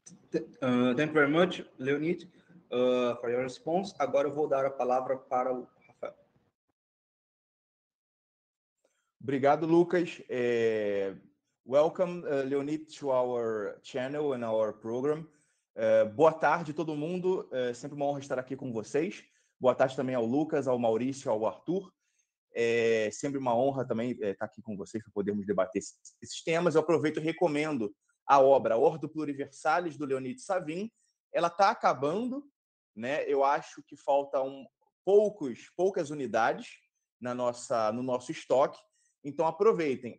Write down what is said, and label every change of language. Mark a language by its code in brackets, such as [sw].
[en] Thank you very much, Leonid, for your response. [pt] Agora eu vou dar a palavra para o Rafael. Obrigado, Lucas. [en] Welcome, Leonid, to our channel and our program. [pt] Boa tarde, todo mundo. Sempre uma honra estar aqui com vocês. Boa tarde também ao Lucas, ao Maurício, ao Arthur. Sempre uma honra também estar aqui com vocês para podermos debater esses temas. Eu aproveito e recomendo a obra Ordo Pluriversalis, do Leonid Savin. Ela está acabando, né? Eu acho que faltam poucas unidades no nosso estoque, então aproveitem.